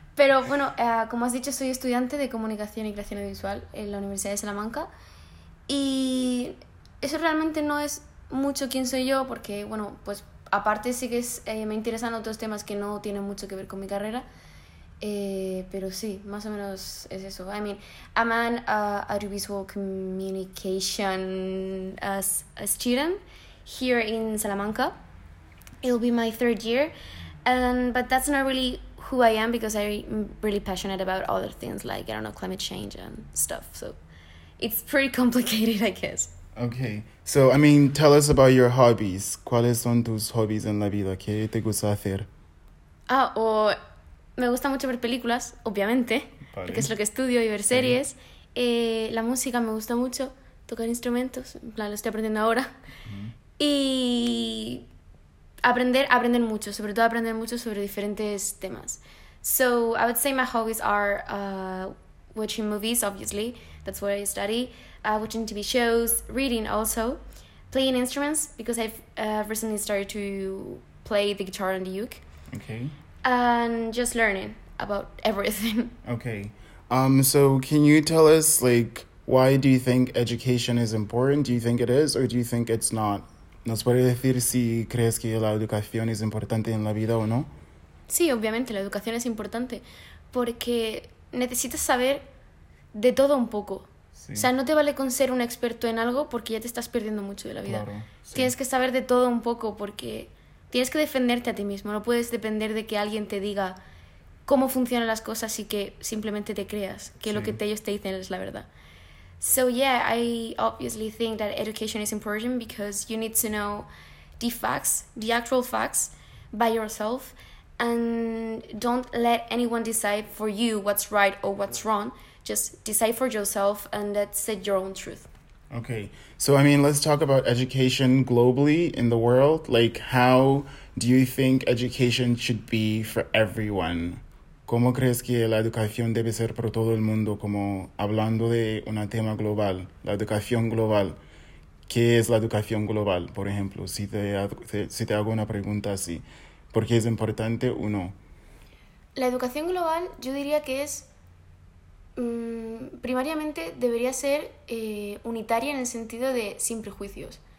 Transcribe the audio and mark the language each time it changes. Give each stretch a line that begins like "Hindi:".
Spanish: Pero bueno, como has dicho, soy estudiante de comunicación y creación audiovisual en la Universidad de Salamanca. Y eso realmente no es mucho quién soy yo, porque bueno, pues aparte sí que es, me interesan otros temas que no tienen mucho que ver con mi carrera. Pero sí, más o menos es eso.
English: I mean, I'm an audiovisual communication student here in Salamanca. It'll be my third year. But that's not really who I am, because I'm really passionate about other things, like, I don't know, climate change and stuff. So it's pretty complicated, I guess. Okay. So, I mean, tell us about your hobbies.
Spanish: ¿Cuáles son tus hobbies en la vida? ¿Qué te gusta hacer? Ah, o me gusta mucho ver películas, obviamente, vale. Porque es lo que estudio, y ver series. Vale. La música me gusta mucho, tocar instrumentos, en plan, lo estoy aprendiendo ahora. Uh-huh. Y aprender mucho, sobre todo aprender mucho sobre diferentes temas.
English: So, I would say my hobbies are watching movies, obviously. That's what I study. Watching TV shows, reading also. Playing instruments, because I've recently started to play the guitar and the uke. Okay. And just learning about everything. Okay. So, can you tell us, like, why do you think education is important? Do you think it is, or do you think it's not?
Spanish: ¿Nos puede decir si crees que la educación es importante en la vida o no? Sí, obviamente, la educación es importante porque necesitas saber de todo un poco. Sí. O sea, no te vale con ser un experto en algo porque ya te estás perdiendo mucho de la vida. Claro, sí. Tienes que saber de todo un poco porque tienes que defenderte a ti mismo. No puedes depender de que alguien te diga cómo funcionan las cosas y que simplemente te creas que sí. Lo que ellos te dicen es la verdad.
English: So yeah, I obviously think that education is important because you need to know the facts, the actual facts, by yourself, and don't let anyone decide for you what's right or what's wrong. Just decide for yourself and set your own truth. Okay, so I mean, let's talk about education globally in the world. Like, how do you think education should be for everyone?
Spanish: ¿Cómo crees que la educación debe ser para todo el mundo? Como hablando de un tema global, la educación global. ¿Qué es la educación global, por ejemplo? Si te hago una pregunta así, ¿por qué es importante o no? La educación global, yo diría que es, primariamente debería ser unitaria en el sentido de sin prejuicios.